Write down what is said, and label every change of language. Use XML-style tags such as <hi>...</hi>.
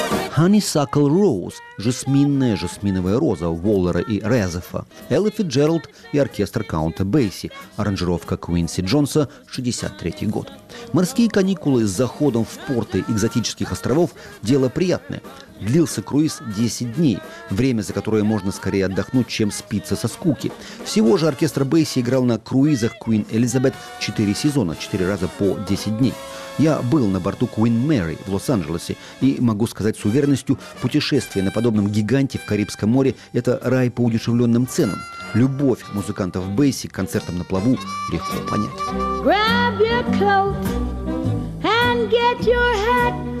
<ru>Honeysuckle Rose – жасминная жасминовая роза Уоллера и Резефа, Элла Фицджеральд и оркестр Каунта Бейси, аранжировка Куинси Джонса, 63-й год. Морские каникулы с заходом в порты экзотических островов – дело приятное. Длился круиз 10 дней, время, за которое можно скорее отдохнуть, чем спиться со скуки. Всего же оркестр Бейси играл на круизах Queen Elizabeth 4 сезона, 4 раза по 10 дней. Я был на борту Queen Mary в Лос-Анджелесе и могу сказать с уверенностью, путешествие на подобном гиганте в Карибском море – это рай по удешевленным ценам. Любовь музыкантов Бейси к концертам на плаву легко понять.</ru> <en>Grab your coat and get your hat.</en>